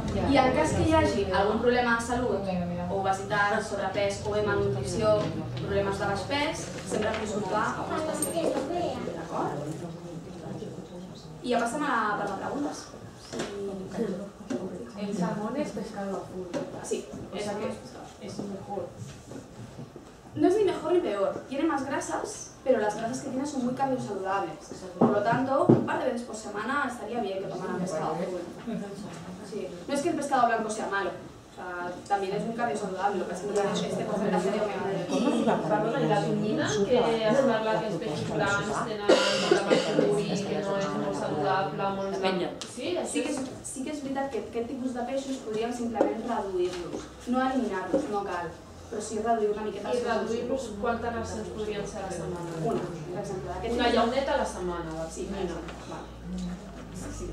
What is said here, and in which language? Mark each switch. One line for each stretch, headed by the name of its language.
Catalan: I en cas que hi hagi algun problema de salut, obesitat, sobrepès o bé malnutrició, problemes de baix pes, sempre consultar a un especialista. I ja passem a la part de preguntes.
Spanish: El salmón és pescado
Catalan: a full.
Spanish: Sí, és el mejor. No es ni mejor ni peor. Tiene más grasas, pero las grasas que tiene son muy cardiosaludables. Por lo tanto, un par de veces por semana estaría bien que tomaran pescado. Sí. No es que el pescado blanco sea malo. O sea, también es muy cardiosaludable. Lo que significa es que este porcentaje de omega 3. ¿Y la tunina, que es una blanca especial, que no es muy saludable?
Catalan: la penya. Sí, sí que és veritat que aquest tipus de peixos podríem simplement reduir-los, no eliminar-los, no cal. Però sí reduir una miqueta els peixos. I reduir-los, quantes races podrien ser a la setmana? Una, per exemple. Una llauneta a la setmana. Sí, una. Sí,